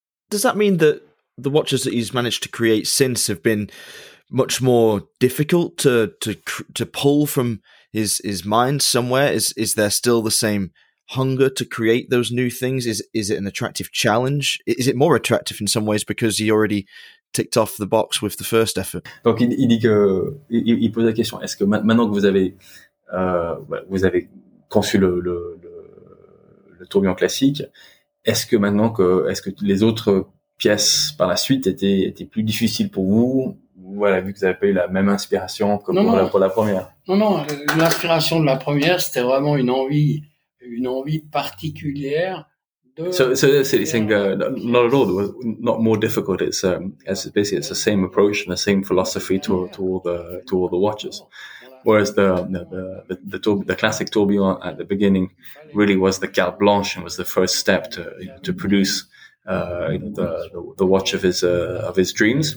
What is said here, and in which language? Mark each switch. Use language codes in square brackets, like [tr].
[en] Does that mean that the watches that he's managed to create since have been much more difficult to pull from his mind somewhere? Is there still the same hunger to create those new things? Is it an attractive challenge? Is it more attractive in some ways because he already ticked off the box with the first effort? [fr] Donc il dit que il pose la question, est-ce que maintenant que vous avez conçu le tourbillon classique, est-ce que maintenant que est-ce que les autres pièces par la suite étaient plus difficiles pour vous? Voilà, vu que vous n'avez pas eu la même inspiration que pour la première. Non, l'inspiration de la première, c'était vraiment une envie particulière de... [en] So he's saying, not at all, it was not more difficult. It's basically the same approach and the same philosophy to all the watches. Whereas the classic tourbillon at the beginning really was the carte blanche and was the first step to produce the watch of his dreams.